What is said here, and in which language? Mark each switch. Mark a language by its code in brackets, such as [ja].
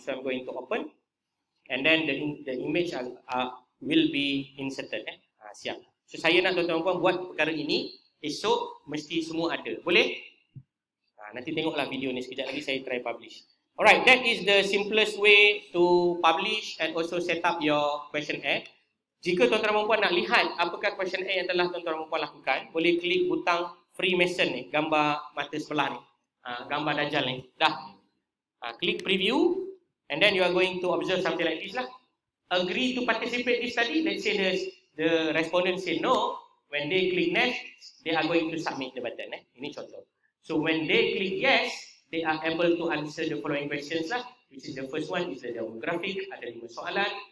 [en] So I'm going to open and then the image will be inserted siap. [ms] So saya nak tuan-tuan puan buat perkara ini esok, mesti semua ada. Boleh? nanti tengoklah video ni sekejap lagi saya try publish. [en] Alright, that is the simplest way to publish and also set up your questionnaire. [ms] Jika tuan-tuan dan puan nak lihat apakah questionnaire yang telah tuan-tuan dan puan lakukan, boleh klik butang Freemason ni, gambar mata sebelah ni. Gambar Dajjal ni. Dah. [en] Klik preview and then you are going to observe something like this lah. Agree to participate this study, let's say the respondent say no, when they click next, they are going to submit the button. [ms] Ini contoh. [en] So when they click yes, they are able to answer the following questions lah, which is the first one is the demographic, [ms] ada 5 soalan.